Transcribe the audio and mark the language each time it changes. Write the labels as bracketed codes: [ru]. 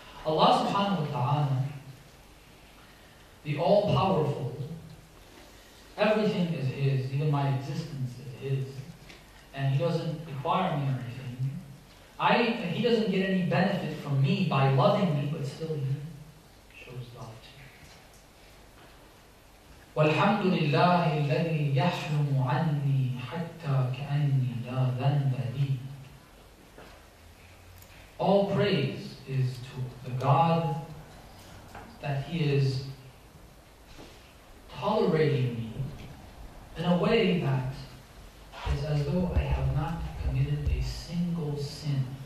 [en] Allah subhanahu wa ta'ala, the all-powerful, everything is his, even my existence is his. And he doesn't require me or anything. He doesn't get any benefit from me by loving me, but still he shows love. [ar] والحمد لله الذي يحرم عني حتى كأني لا ذنب لي. [en] All praise is to the God that He is tolerating me in a way that is as though I have not committed a single sin.